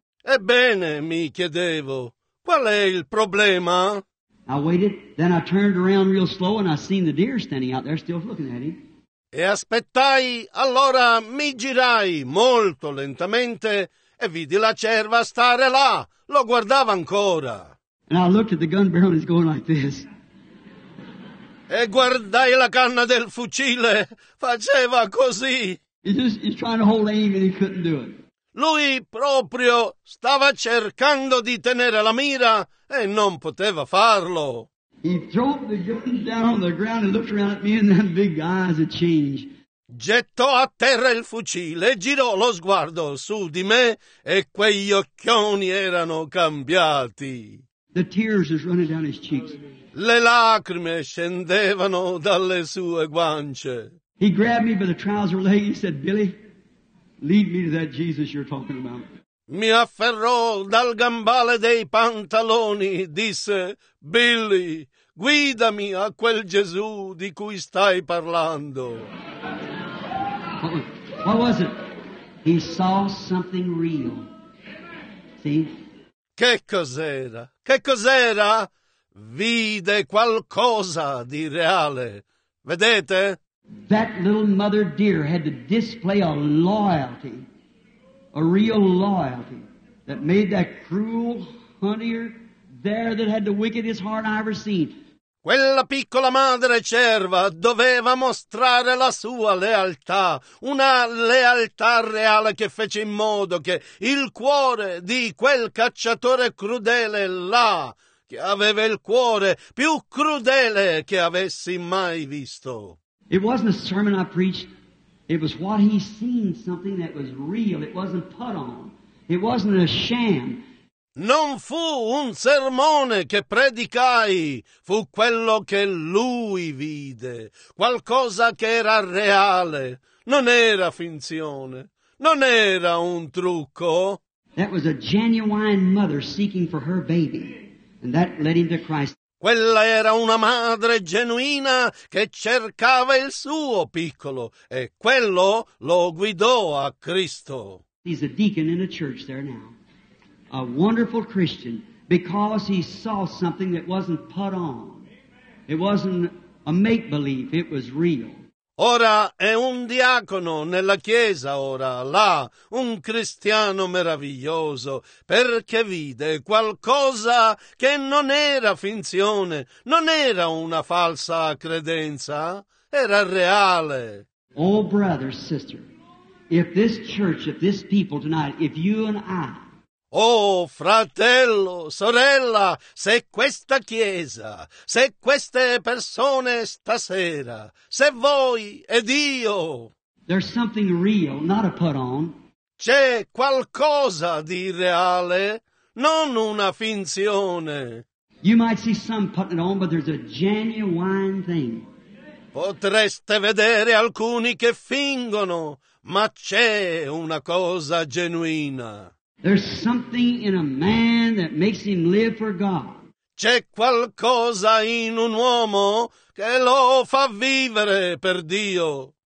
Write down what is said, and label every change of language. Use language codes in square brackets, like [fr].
[it] Ebbene, mi chiedevo, qual è il problema? [en] I waited, then I turned around real slow and I seen the deer standing out there still looking at him. [it] E aspettai, allora mi girai molto lentamente e vidi la cerva stare là, lo guardava ancora. [en] And I looked at the gun barrel and it's going like this. [it] E guardai la canna del fucile, faceva così. [en] He's trying to hold aim and he couldn't do it. [it] Lui proprio stava cercando di tenere la mira e non poteva farlo. [en] He dropped the gun down on the ground and looked around at me, and that big eyes had changed. [it] Gettò a terra il fucile, girò lo sguardo su di me e quegli occhioni erano cambiati. [en] The tears was running down his cheeks. [it] Le lacrime scendevano dalle sue guance. [en] He grabbed me by the trouser leg and said, Billy, lead me to that Jesus you're talking about. [it] Mi afferrò dal gambale dei pantaloni, disse, Billy, guidami a quel Gesù di cui stai parlando. [en] What was it? He saw something real. See? [it] Che cos'era? Che cos'era? Vide qualcosa di reale. Vedete? [en] That little mother deer had to display a loyalty, a real loyalty, that made that cruel hunter there that had the wickedest heart I ever seen. [it] Quella piccola madre cerva doveva mostrare la sua lealtà, una lealtà reale che fece in modo che il cuore di quel cacciatore crudele là, che aveva il cuore più crudele che avessi mai visto. [en] It wasn't a sermon I preached, it was what he seen, something that was real, it wasn't put on, it wasn't a sham. [it] Non fu un sermone che predicai, fu quello che lui vide, qualcosa che era reale, non era finzione, non era un trucco. [en] That was a genuine mother seeking for her baby, and that led him to Christ. [it] Quella era una madre genuina che cercava il suo piccolo, e quello lo guidò a Cristo. [en] He's a deacon in a church there now. A wonderful Christian, because he saw something that wasn't put on. It wasn't a make-believe, it was real. [it] Ora è un diacono nella chiesa, ora là, un cristiano meraviglioso, perché vide qualcosa che non era finzione, non era una falsa credenza, era reale. [en] Oh, brother, sister, if this church, if this people tonight, if you and I, [it] oh, fratello, sorella, se questa chiesa, se queste persone stasera, se voi ed io. [en] There's something real, not a put on. [it] C'è qualcosa di reale, non una finzione. [en] You might see some putting it on, but there's a genuine thing. [it] Potreste vedere alcuni che fingono, ma c'è una cosa genuina. [en] There's something in a man that makes him live for God. [it] C'è qualcosa in un uomo che lo fa vivere per Dio.